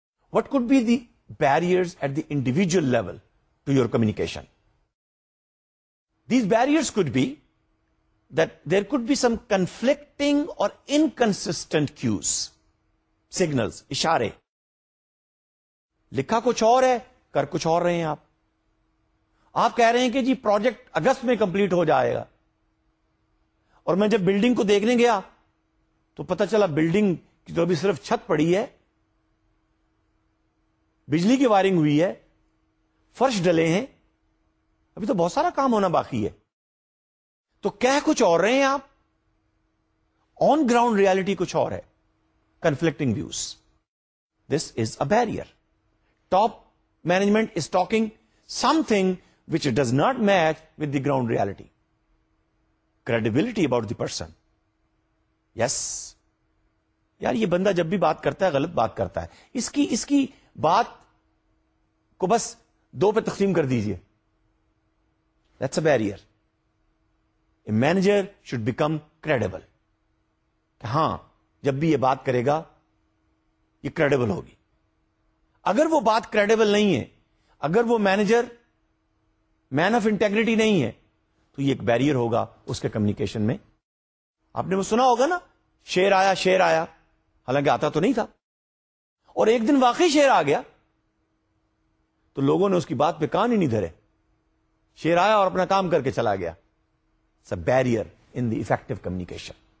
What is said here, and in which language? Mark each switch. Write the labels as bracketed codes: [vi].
[en] What could be the barriers at the individual level to your communication? These barriers could be that there could be some conflicting or inconsistent cues, signals, اشارے. [ur] لکھا کچھ اور ہے, کر کچھ اور رہے ہیں آپ. آپ کہہ رہے ہیں کہ جی پروجیکٹ اگست میں کمپلیٹ ہو جائے گا, اور میں جب بلڈنگ کو دیکھنے گیا تو پتا چلا بلڈنگ کی تو ابھی صرف چھت پڑی ہے, بجلی کی وائرنگ ہوئی ہے, فرش ڈلے ہیں, ابھی تو بہت سارا کام ہونا باقی ہے. تو کہہ کچھ اور رہے ہیں آپ, آن گراؤنڈ ریالٹی کچھ اور ہے. [en] Conflicting views, this is a barrier. Top management is talking something which does not match with the ground reality. Credibility about the person, [ur] یس یار یہ بندہ جب بھی بات کرتا ہے غلط بات کرتا ہے, اس کی بات کو بس دو پہ تقسیم کر دیجیے. [en] That's a barrier. A manager should become credible, [ur] کہ ہاں جب بھی یہ بات کرے گا یہ کریڈیبل ہوگی. اگر وہ بات کریڈیبل نہیں ہے, اگر وہ مینیجر مین آف انٹیگریٹی نہیں ہے, تو یہ ایک بیریئر ہوگا اس کے کمیونیکیشن میں. آپ نے وہ سنا ہوگا نا, شیر آیا, حالانکہ آتا تو نہیں تھا, اور ایک دن واقعی شیر آ گیا تو لوگوں نے اس کی بات پہ کان ہی نہیں دھرے, شیر آیا اور اپنا کام کر کے چلا گیا. [en] It's a barrier in the effective communication.